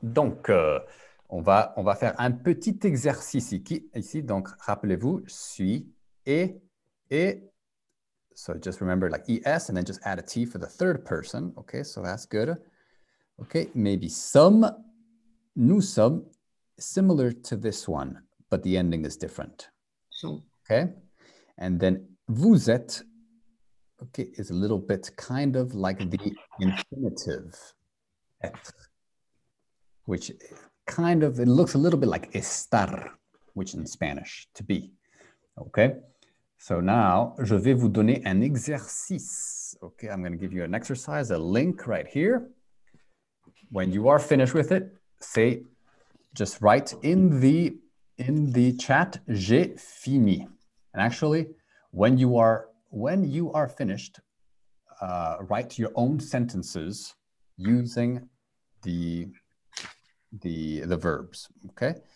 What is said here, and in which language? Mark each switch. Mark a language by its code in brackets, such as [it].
[fr] Donc, on va faire un petit exercice ici. Donc, rappelez-vous, suis et. [en] So just remember, like es, and then just add a t for the third person. Okay, so that's good. Okay, maybe some. [fr] Nous sommes, [en] similar to this one, but the ending is different. So. Okay, and then [fr] vous êtes, [en] okay, is a little bit kind of like the infinitive, être, which kind of, it looks a little bit like estar, which in Spanish, to be. [fr] Okay, so now, je vais vous donner un exercice. [en] Okay, I'm going to give you an exercise, a link right here. When you are finished with it, say, just write in the chat, [fr] j'ai fini. [en] And actually, when you are finished, write your own sentences using the verbs, okay?